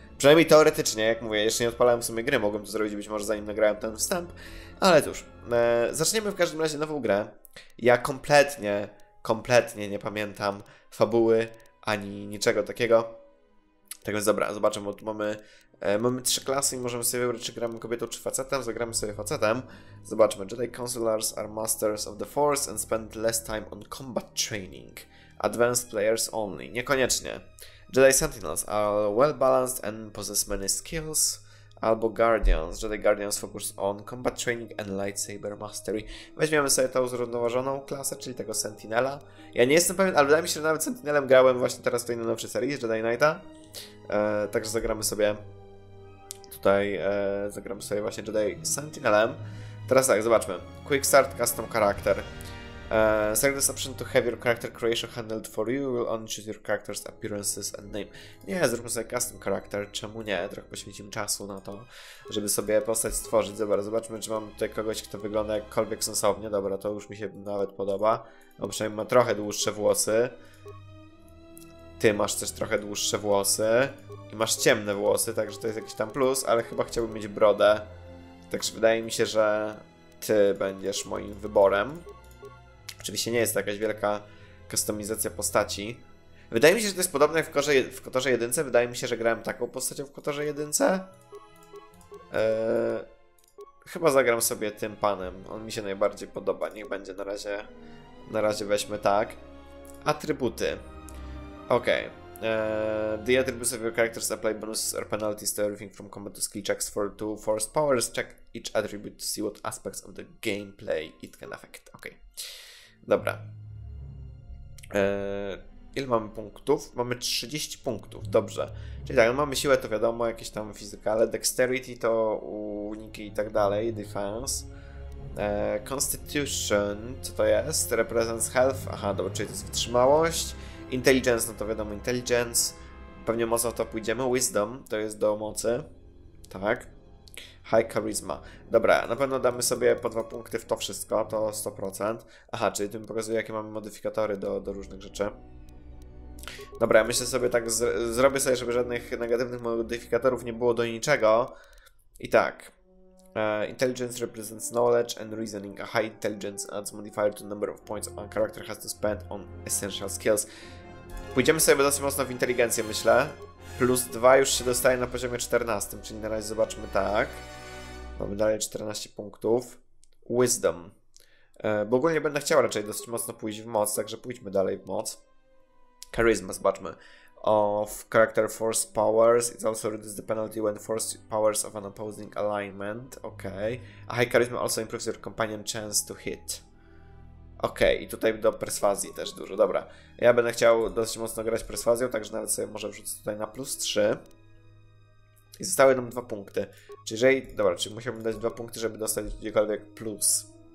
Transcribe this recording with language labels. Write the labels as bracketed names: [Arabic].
[Polish] Przynajmniej teoretycznie, jak mówię, jeszcze nie odpalałem w sumie gry, mogłem to zrobić być może zanim nagrałem ten wstęp. Ale cóż, zaczniemy w każdym razie nową grę. Ja kompletnie nie pamiętam fabuły ani niczego takiego. Tak więc dobra, zobaczymy, bo tu mamy trzy klasy i możemy sobie wybrać, czy gramy kobietą, czy facetem. Zagramy sobie facetem. Zobaczmy, [English] Jedi Counselors are masters of the Force and spend less time on combat training. Advanced players only. [Polish] Niekoniecznie. [English] Jedi Sentinels are well balanced and possess many skills. [Polish] Albo [English] Guardians. Jedi Guardians focus on combat training and lightsaber mastery. [Polish] Weźmiemy sobie tą zrównoważoną klasę, czyli tego Sentinela. Ja nie jestem pewien, ale wydaje mi się, że nawet Sentinelem grałem właśnie teraz w tej nowszej serii Jedi Knighta. Także zagramy sobie tutaj, zagramy sobie właśnie Jedi Sentinelem. Teraz tak, zobaczmy. [English] Quick start, custom character. Select this option to have your character creation handled for you. You will only choose your character's appearances and name. [Polish] Nie, zróbmy sobie custom character. Czemu nie? Trochę poświęcimy czasu na to, żeby sobie postać stworzyć. Dobra, zobaczmy, czy mam tutaj kogoś, kto wygląda jakkolwiek sensownie. Dobra, to już mi się nawet podoba. No, przynajmniej ma trochę dłuższe włosy. Ty masz też trochę dłuższe włosy i masz ciemne włosy, także to jest jakiś tam plus, ale chyba chciałbym mieć brodę. Także wydaje mi się, że ty będziesz moim wyborem. Oczywiście nie jest to jakaś wielka kustomizacja postaci. Wydaje mi się, że to jest podobne jak w Kotorze jedynce. Wydaje mi się, że grałem taką postacią w Kotorze jedynce. Chyba zagram sobie tym panem. On mi się najbardziej podoba. Niech będzie na razie. Na razie weźmy tak. Atrybuty. [English] Ok, the attributes of your characters apply bonuses or penalties to everything from combat to skill checks for to force powers. Check each attribute to see what aspects of the gameplay it can affect. [Polish] Ok, dobra. Ile mamy punktów? Mamy 30 punktów, dobrze. Czyli tak, no mamy siłę, to wiadomo, jakieś tam fizykale, dexterity to uniki i tak dalej, defense. Constitution, co to jest? [English] Represents health, [Polish] aha, dobra, czyli to jest wytrzymałość. Intelligence, no to wiadomo, intelligence. Pewnie mocno w to pójdziemy. Wisdom, to jest do mocy. Tak. High charisma. Dobra, na pewno damy sobie po 2 punkty w to wszystko, to 100%. Aha, czyli tym pokazuję, jakie mamy modyfikatory do różnych rzeczy. Dobra, ja myślę sobie tak, zrobię sobie, żeby żadnych negatywnych modyfikatorów nie było do niczego. I tak. [English] Intelligence represents knowledge and reasoning. A high intelligence adds modifier to number of points a character has to spend on essential skills. [Polish] Pójdziemy sobie dosyć mocno w inteligencję, myślę. Plus 2 już się dostaje na poziomie 14, czyli na razie zobaczmy tak. Mamy dalej 14 punktów. Wisdom. Bo ogólnie będę chciał raczej dosyć mocno pójść w moc, także pójdźmy dalej w moc. Charisma, zobaczmy. [English] Of character force powers, it also reduces the penalty when force powers of an opposing alignment. Ok. A high charisma also improves your companion chance to hit. [Polish] Ok, i tutaj do perswazji też dużo, dobra. Ja będę chciał dosyć mocno grać perswazją, także nawet sobie może wrzucę tutaj na plus 3. I zostały nam 2 punkty. Czyli jeżeli, dobra, czyli musiałbym dać 2 punkty, żeby dostać gdziekolwiek plus.